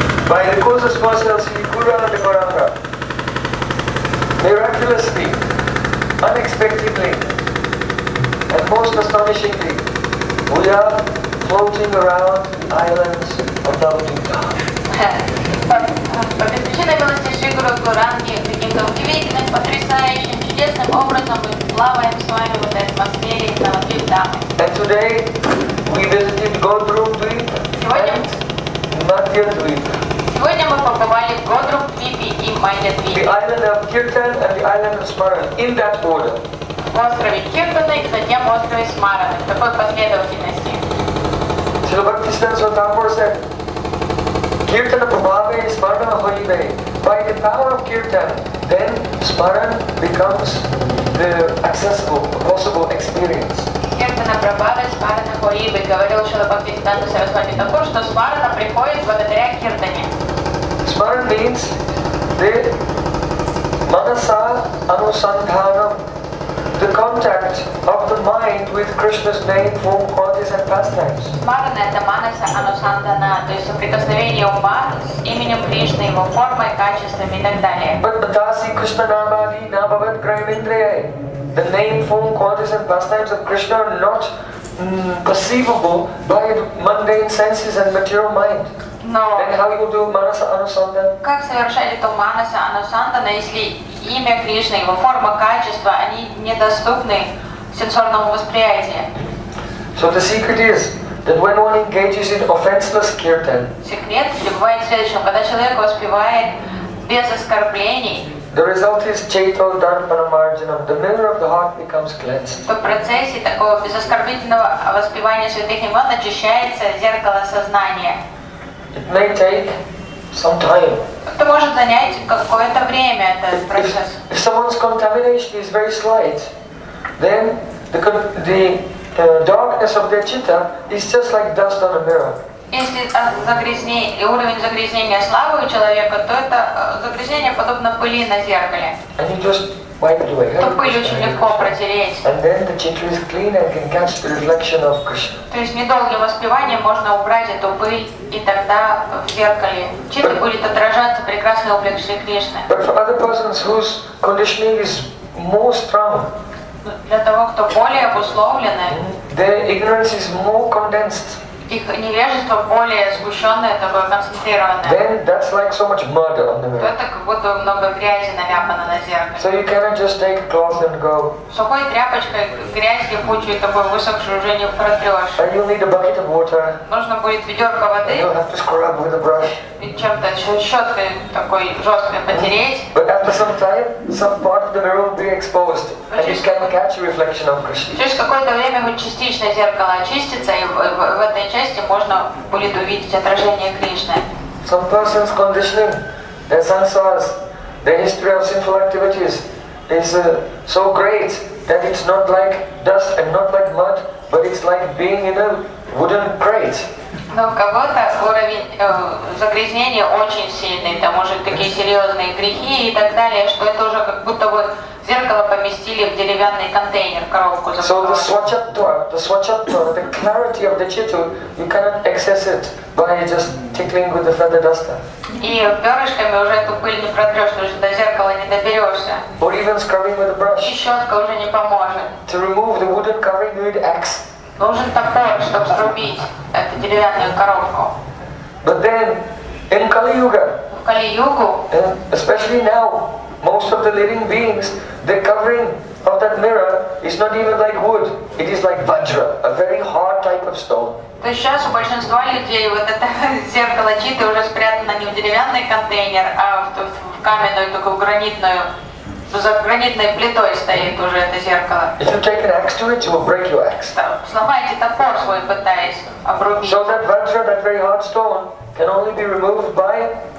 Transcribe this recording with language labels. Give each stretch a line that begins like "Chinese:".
English: By the causes possible, Sri Guru and the Parampara, miraculously, unexpectedly, and most astonishingly, we are floating around the islands of Dalvita.
Russian: По беспричинной милости Шри Гуру Гуранги, каким-то удивительным, потрясающим, чудесным образом мы плаваем с вами в этой атмосфере на Дамы.
English: And today we visited Godrup Dvipa and Madhya Dvipa.
Russian: Сегодня мы побывали в Godrup Dvipa и Madhya Dvipa.
English: The island of Kirtan and the island of Smaran, in that order.
Russian: В острове Киртана и затем в острове Смаран. В такой последовательности.
English: Srila Bhaktisiddhanta Thakur said,
Sanskrit: Kirtana Prabhava is Smarana Haribe.
English: By the power of Kirtan, then Smaran becomes the accessible, possible experience.
Sanskrit: Kirtana Prabhava is Smarana Haribe.
Russian: Говорил Шрила Бхактисиддханта Сарасвати Такур, что Смарана приходит благодаря Киртане.
English: Smaran means the Manasa Anusandhanam, the contact of the mind with Krishna's name, form, qualities and pastimes.
Russian: Smarana – это Manasa Anusandhana, то есть соприкосновение ума с именем Кришны, его формой, качествами и так далее.
English: But
Sanskrit: Madasi Krishna Namadi Nabhavad Kraimindriyai,
English: the name, form, qualities and pastimes of Krishna are not perceivable by mundane senses and material mind.
Russian: Но
English: then how you do Manasa Anusandhana?
Russian: Как совершать это Manasa Anusandhana, если имя Кришны, его форма, качества, они недоступны сенсорному восприятию.
English: So the secret is that when one engages in offenseless kirtan,
Russian: секрет, любое следующее, когда человек воспевает без оскорблений,
English: The result is chaitanya dharma marginam. The mirror of the heart becomes cleansed.
Russian: В процессе такого безоскорбительного воспевания святых имен очищается зеркало сознания.
English: It may take some time.
Russian: Это может занять какое-то время, этот процесс.
English: If someone's contamination is very slight, then the darkness of their citta is just like dust on a mirror.
Russian: Если уровень загрязнения слабый у человека, то это загрязнение подобно пыли на зеркале.
English: And you just wipe it away.
Russian: То пыль очень легко протереть.
English: And then the citta is clean and can catch the reflection of Krishna.
Russian: То есть недолгим воспеванием можно убрать эту пыль, и тогда в зеркале читта будет отражаться прекрасный облик Шри Кришны.
English: But for other persons whose conditioning is more strong.
Russian: Для того, кто более обусловлены.
English: Their ignorance is more condensed.
Russian: Их невежество более сгущенное, такое концентрированное.
English: Then that's like so much murder on the mirror.
Russian: Это как будто много грязи наляпано на зеркале.
English: So you cannot just take cloth and go.
Russian: Сухой тряпочкой грязь и кучу и такой высохший уже не протрешь.
English: And you need a bucket of water.
Russian: Нужно будет ведерко воды.
English: You'll have to scrub with a brush.
Russian: И чем-то щеткой такой жесткой потереть.
English: But after some time, some part of the mirror will be exposed, and you can catch a reflection of Krishna.
Russian: Через какое-то время будет частично зеркало очиститься и в этой части можно будет увидеть отражение Кришны.
English: Some persons conditioning, their sansaras, their history of sinful activities is so great that it's not like dust and not like mud, but it's like being in a wooden crate.
Russian: Но у кого-то уровень загрязнения очень сильный, там уже такие серьезные грехи и так далее, что это уже как будто вот зеркало поместили в деревянный контейнер, коробку.
English: So the swachatva, the clarity of the chitta, you cannot access it by just tickling with the feather duster.
Russian: И перышками уже эту пыль не протрешь, уже до зеркала не доберешься.
English: Or even scrubbing with a brush.
Russian: И щетка уже не поможет.
English: To remove the wooden covering, you need axe.
Russian: Нужен топор, чтобы срубить эту деревянную коробку.
English: But then, in Kali Yuga.
Russian: В Кали Югу.
English: Especially now. Most of the living beings, the covering of that mirror is not even like wood. It is like vajra, a very hard type of stone.
Russian: То есть сейчас у большинства людей вот это зеркало читы уже спрятано не в деревянный контейнер, а в каменную, только в гранитную, за гранитной плитой стоит уже это зеркало.
English: If you take an axe to it, you will break your axe.
Russian: Да, сломаете топор свой, пытаясь обрубить.
English: So that vajra, that very hard stone, can only be removed by...